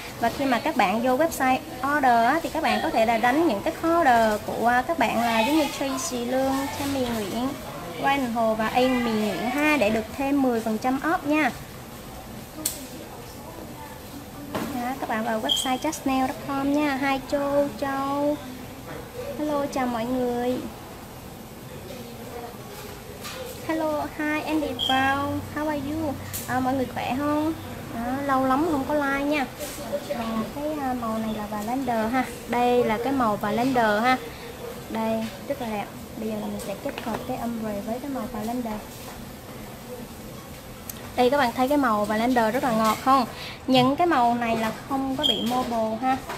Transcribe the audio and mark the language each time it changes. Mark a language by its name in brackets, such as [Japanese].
[Vietnamese] Và khi mà các bạn vô website order á, thì các bạn có thể là đánh những cái order của các bạn là giống như Tracy Lương, Tammy Nguyễn, Quan Hồ và Amy Nguyễn ha, để được thêm 10% off nha. Đó, các bạn vào website justnail.com nha. Hi Châu Châu, hello, chào mọi người. [English] Hello, hi Andy Brown, how are you? [Vietnamese] À, mọi người khỏe không? À, lâu lắm không có like nha. À, cái màu này là Valender ha. Đây là cái màu Valender ha. Đây, rất là đẹp. Bây giờ mình sẽ kết hợp cái ombre với cái màu Valender. Đây, các bạn thấy cái màu Valender rất là ngọt không? Những cái màu này là không có bị mobile ha.